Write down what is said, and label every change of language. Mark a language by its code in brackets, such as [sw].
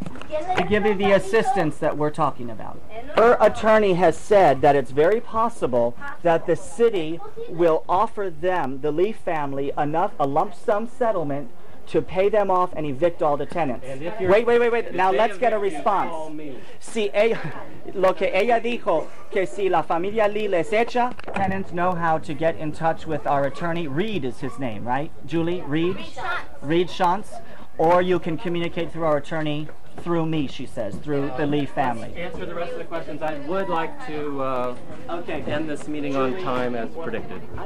[en] To give you the assistance that we're talking about. Her attorney has said that it's very possible that the city will offer them, the Lee family, enough, a lump sum settlement to pay them off and evict all the tenants. Wait. Now let's get a response. [es] Si ella, lo que ella dijo, que si la familia Lee les echa. [en] Tenants know how to get in touch with our attorney. Reed is his name, right? Julie? Reed? Reed Shantz. Or you can communicate through our attorney. Through me, she says, through the Lee family. Let's answer the rest of the questions. I would like to end this meeting on time as predicted.